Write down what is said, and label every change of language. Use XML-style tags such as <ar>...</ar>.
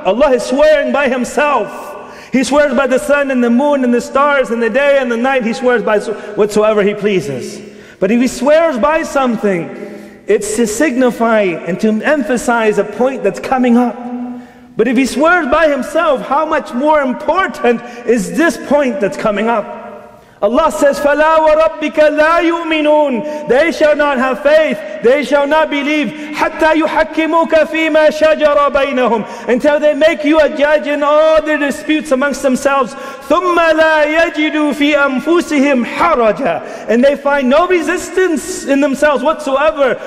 <en>Allah is swearing by Himself. He swears by the sun and the moon and the stars and the day and the night. He swears by whatsoever He pleases. But if He swears by something, it's to signify and to emphasize a point that's coming up. But if He swears by Himself, how much more important is this point that's coming up? Allah says,</en> <ar>فَلَا وَرَبِّكَ لَا يُؤْمِنُونَ.</ar> <en>They shall not have faith, they shall not believe,</en> <ar>حَتَّى يُحَكِّمُكَ فِي مَا شَجَرَ بَيْنَهُمْ,</ar> <en>until they make you a judge in all their disputes amongst themselves.</en> <ar>ثُمَّ لَا يَجِدُوا فِي أَنفُسِهِمْ حَرَجًا,</ar> <en>and they find no resistance in themselves whatsoever.</en>